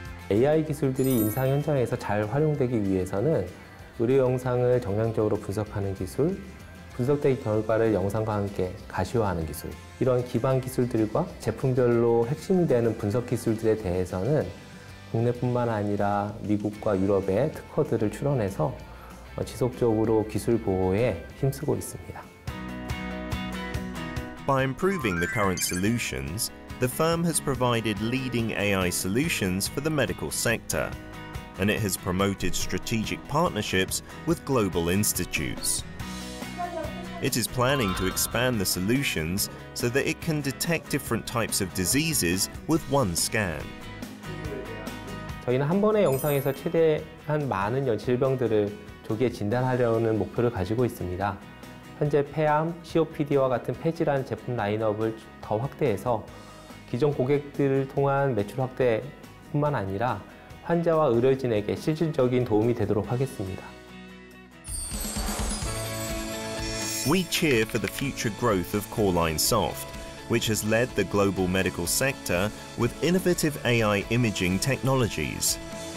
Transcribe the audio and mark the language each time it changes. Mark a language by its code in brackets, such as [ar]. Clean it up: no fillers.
[ko] AI 기술들이 임상 현장에서 잘 활용되기 위해서는 의료 영상을 정량적으로 분석하는 기술, 분석된 결과를 영상과 함께 가시화하는 기술, 이런 기반 기술들과 제품별로 핵심이 되는 분석 기술들에 대해서는 국내뿐만 아니라 미국과 유럽의 특허들을 출원해서 지속적으로 기술 보호에 힘쓰고 있습니다. [en] By improving the current solutions, the firm has provided leading AI solutions for the medical sector, and it has promoted strategic partnerships with global institutes. It is planning to expand the solutions so that it can detect different types of diseases with one scan. [ko] 저희는 한 번의 영상에서 최대한 많은 질병들을 조기에 진단하려는 목표를 가지고 있습니다. 현재 폐암, COPD와 같은 폐질환 제품 라인업을 더 확대해서 기존 고객들을 통한 매출 확대뿐만 아니라 환자와 의료진에게 실질적인 도움이 되도록 하겠습니다. [en] We cheer for the future growth of Coreline Soft, which has led the global medical sector with innovative AI imaging technologies.